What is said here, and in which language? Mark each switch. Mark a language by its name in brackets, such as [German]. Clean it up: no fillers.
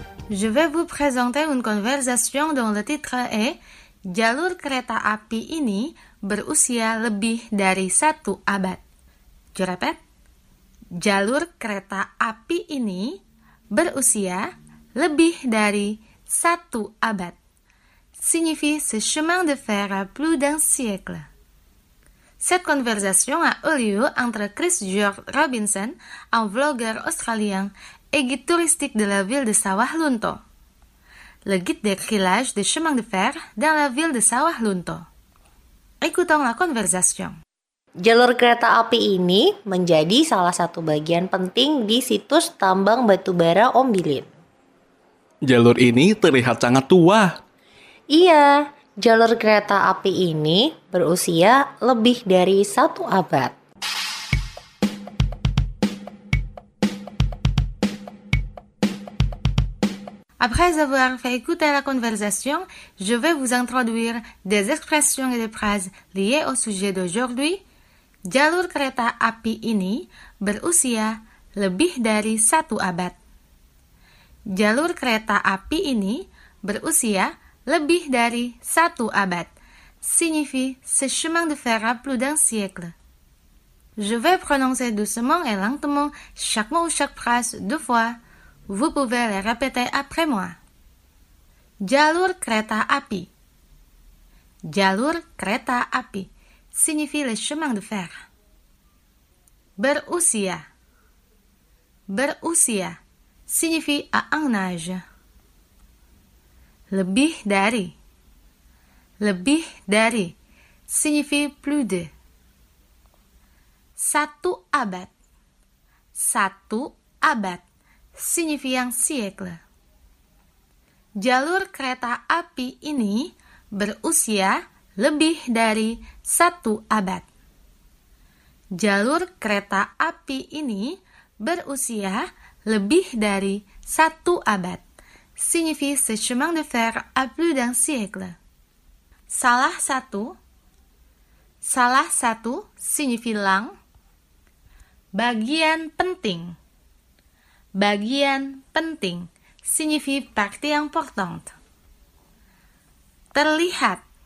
[French] Je vais vous présenter une conversation dont le titre est « [Indonesian] Jalur kereta api ini berusia lebih dari satu abad ». [French] Je répète. [Indonesian] Jalur kereta api ini berusia lebih dari satu abad. [French] Signifie « ce chemin de fer a plus d'un siècle ». Cette conversation a eu lieu entre Chris George Robinson, un vlogueur australien, et guide touristique de la ville de Sawah Lunto. Le guide décrit l'âge des chemins de fer dans la ville de Sawah Lunto. Écoutons la conversation. [Indonesian] Jalur kereta api ini menjadi salah satu bagian penting di situs tambang batubara Ombilin. Jalur ini terlihat sangat tua. Iya, jalur kereta api ini berusia lebih dari satu abad. [French] Après avoir fait écouter la conversation, je vais vous introduire des expressions et des phrases liées au sujet d'aujourd'hui. [Indonesian] Jalur kereta api ini berusia lebih dari satu abad. Jalur kereta api ini berusia lebih dari satu abad. [French] Signifie ce chemin de fer a plus d'un siècle. Je vais prononcer doucement et lentement chaque mot ou chaque phrase deux fois. Vous pouvez le répéter après moi. [Indonesian] Jalur kereta api. Jalur kereta api [French] signifie le chemin de fer. Berusia. Berusia signifie à un âge. [Indonesian] Lebih dari. Lebih dari [French] signifie plus de. [Indonesian] Satu abad. Satu abad [French] signifie un siècle. [Indonesian] Jalur kereta api ini berusia lebih dari satu abad. Jalur kereta api ini berusia lebih dari satu abad. [French] Signifie ce chemin de fer a plus d'un siècle. [Indonesian] Salah satu. Salah satu [French] signifie lang. [Indonesian] Bagian penting. Bagian penting [French] signifie partie importante. [Indonesian] Terlihat.